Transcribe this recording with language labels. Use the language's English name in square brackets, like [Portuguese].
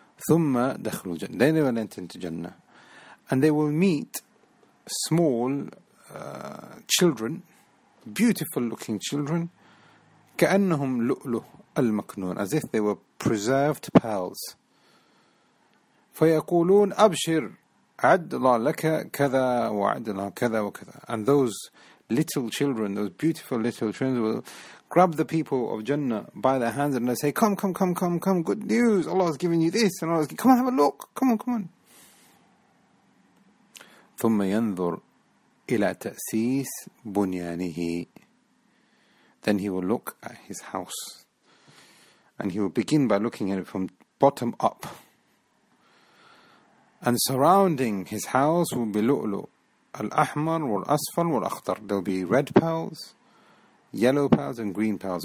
[Arabic] ثُمَّ دَخْلُوا الْجَنَّةِ. [English] Then they will enter into Jannah. And they will meet small children, beautiful looking children, [Arabic] كَأَنَّهُمْ لُؤْلُهُ الْمَكْنُونَ, [English] as if they were preserved pearls. [Arabic] فيقولون أبشر عد الله لك كذا وعد الله كذا وكذا. [English] And those little children, those beautiful little children, will grab the people of Jannah by their hands and they say, come, come, come, come, come, good news, Allah has given you this, and Allah has given, come on, have a look, come on, come on. [Arabic] ثم ينظر إلى تأسيس بنيانه. [English] Then he will look at his house, and he will begin by looking at it from bottom up. And surrounding his house will be [Arabic] lu'lu, al-ahmar, wal-asfar, wal-akhtar. [English] There will be red pearls, yellow pearls, and green pearls.